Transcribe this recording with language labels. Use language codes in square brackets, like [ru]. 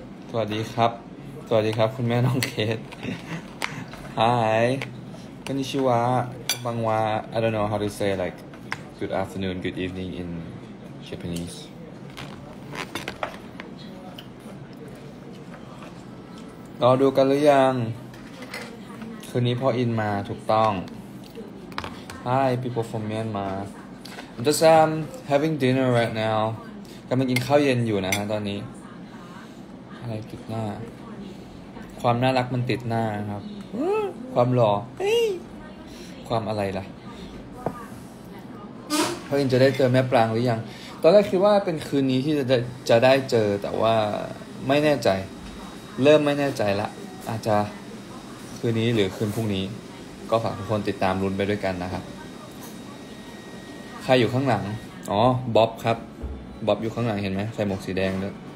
[th] สวัสดีครับสวัสดีครับคุณแม่น้องเคสฮายคุณชิวะบังวะ [en] I don't know how to say likeGood afternoon, good evening in Japanese. [th] รอดูกันหรือยังคืนนี้พ่ออินมาถูกต้อง [en] Hi, people from Myanmar. I'm just having dinner right now. [th] กำลังกินข้าวเย็นอยู่นะฮะตอนนี้อะไรติดหน้าความน่ารักมันติดหน้าครับความหล่อความอะไรล่ะ เพราะอินจะได้เจอแม่ปรางหรือยังตอนแรกคิดว่าเป็นคืนนี้ที่จะได้เจอแต่ว่าไม่แน่ใจเริ่มไม่แน่ใจละอาจจะคืนนี้หรือคืนพรุ่งนี้ก็ฝากทุกคนติดตามลุ้นไปด้วยกันนะครับใครอยู่ข้างหลังอ๋อบ๊อบครับบ๊อบอยู่ข้างหลังเห็นไหมใส่หมวกสีแดงด้วย